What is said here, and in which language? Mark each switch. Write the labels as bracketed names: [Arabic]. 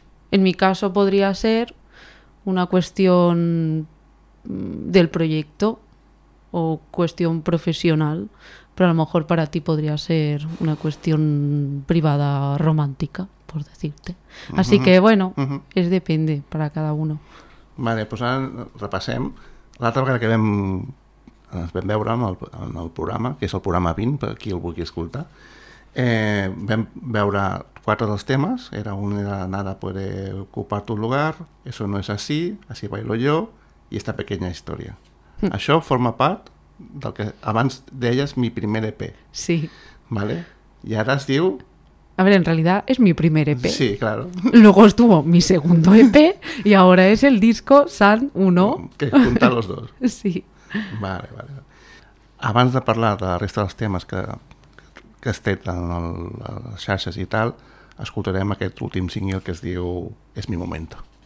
[Spanish] En mi caso podría ser una cuestión... del proyecto o cuestión profesional, pero a lo mejor para ti podría ser una cuestión privada romántica, por decirte. Uh-huh. Así que, bueno, uh-huh. Es depende para cada uno. [Catalan] Vale, pues ara repassem. L'altra vegada que ens vam veure en el programa, que és el programa 20, per qui el vulgui escoltar, vam veure quatre dels temes. Era un era Nada puede ocupar tu lugar, Eso no es así, Así bailo yo, i esta pequeña història. Això forma part del que abans deies mi primer EP. Sí. Vale? I ara es diu... A veure, en realitat és mi primer EP. [Spanish] Sí, claro. Luego estuvo mi segundo EP [Catalan] i ara és el [Spanish] disco San 1. Que junta los dos. Sí. [Catalan] Vale, vale. Abans de parlar de la resta dels temes que has tret en les xarxes i tal, escoltarem aquest últim single que es diu Es mi momento.